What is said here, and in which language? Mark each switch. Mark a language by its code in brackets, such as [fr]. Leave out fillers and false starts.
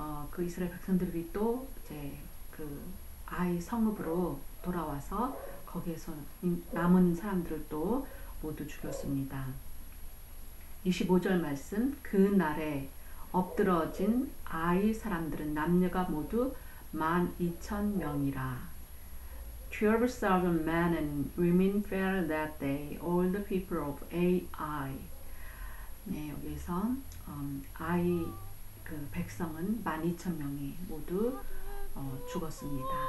[ko] 그 이스라엘 백성들이 또 이제 그 아이 성읍으로 돌아와서 거기에서 남은 사람들을 또 모두 죽였습니다. 25절 말씀, 그 날에 엎드러진 아이 사람들은 남녀가 모두 12,000명이라. [en] 12,000 men and women fell that day, all the people of Ai. [ko] 네, 여기서 아이 그 백성은 12,000명이 모두 죽었습니다.